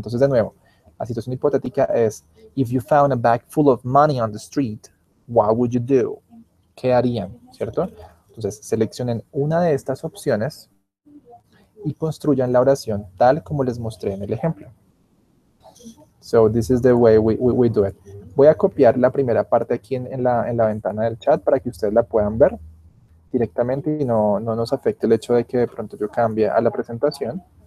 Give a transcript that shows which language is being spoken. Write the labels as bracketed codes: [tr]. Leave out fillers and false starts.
[es] Entonces, de nuevo, la situación hipotética es, if you found a bag full of money on the street, what would you do? ¿Qué harían? ¿Cierto? Entonces, seleccionen una de estas opciones y construyan la oración tal como les mostré en el ejemplo. [en] So, this is the way we do it. [es] Voy a copiar la primera parte aquí en la ventana del chat para que ustedes la puedan ver directamente y no nos afecte el hecho de que de pronto yo cambie a la presentación.